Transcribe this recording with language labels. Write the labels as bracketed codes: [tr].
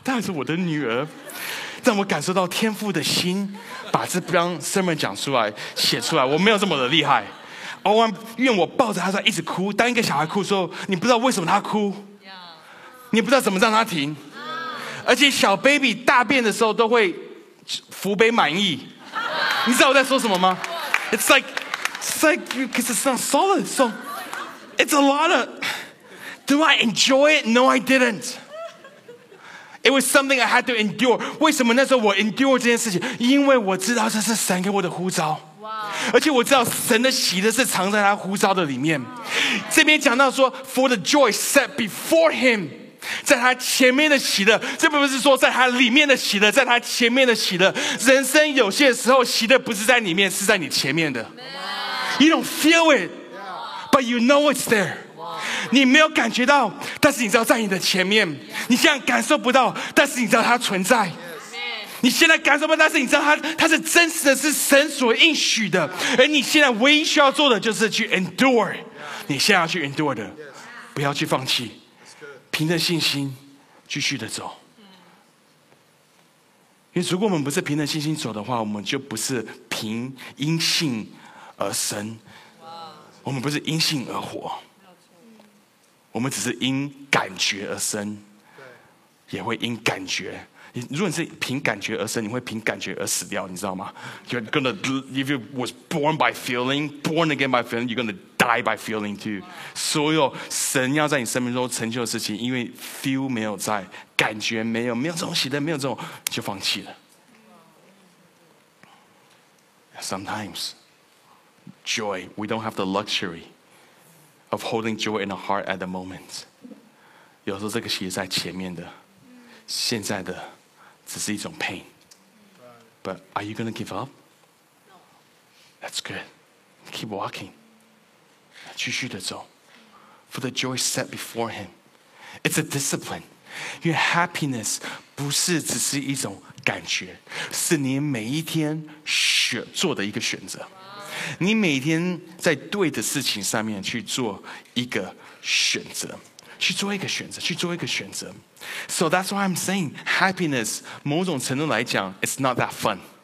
[zh] 但是我的女儿让我感受到天父的心，把这张 sermon 讲出来写出来，我没有这么的厉害。偶尔愿我抱着她一直哭，当一个小孩哭的时候，你不知道为什么她哭，你不知道怎么让她停，而且小 baby 大便的时候都会扶杯满意，你知道我在说什么吗？ [en] It's like, because it's not solid, so it's a lot of, do I enjoy it? No, I didn't. It was something I had to endure. [zh] 为什么那时候我 endure 这件事情？因为我知道这是神给我的呼召。而且我知道神的喜乐是藏在他呼召的里面。这边讲到说 [en] for the joy set before him. [zh] 在他前面的喜乐，这不是说在他里面的喜乐，在他前面的喜乐。人生有些时候喜乐不是在里面，是在你前面的。 [en] You don't feel it, but you know it's there. [zh] 你没有感觉到，但是你知道在你的前面。你现在感受不到，但是你知道它存在。你现在感受不到，但是你知道它是真实的，是神所应许的。而你现在唯一需要做的就是去 endure。你现在要去 endure 的，不要去放弃。凭着信心继续的走，因为如果我们不是凭着信心走的话，我们就不是凭因信而生，我们不是因信而活，我们只是因感觉而生，也会因感觉。如果你是凭感觉而生，你会凭感觉而死掉，你知道吗？ [en] You're gonna, if you was born by feeling, born again by feeling, you're gonna die by feeling too. [zh] 所有神要在你生命中成就的事情，因为 feel 没有在，感觉没有，没有这种喜乐，没有这种，就放弃了。 [en] Sometimes, joy, we don't have the luxury of holding joy in our heart at the moment. [zh] 有时候这个喜乐在前面的。现在的只是一种 [en] pain. But are you going to give up? That's good. Keep walking. [zh] 继续的走。 [en] For the joy set before him. It's a discipline. [zh] 因为 happiness 不是只是一种感觉，是你每一天做的一个选择。你每天在对的事情上面去做一个选择，去做一个选择，去做一个选择。 [en] So that's why I'm saying happiness [zh] 某种程度来讲 [en] it's not that fun。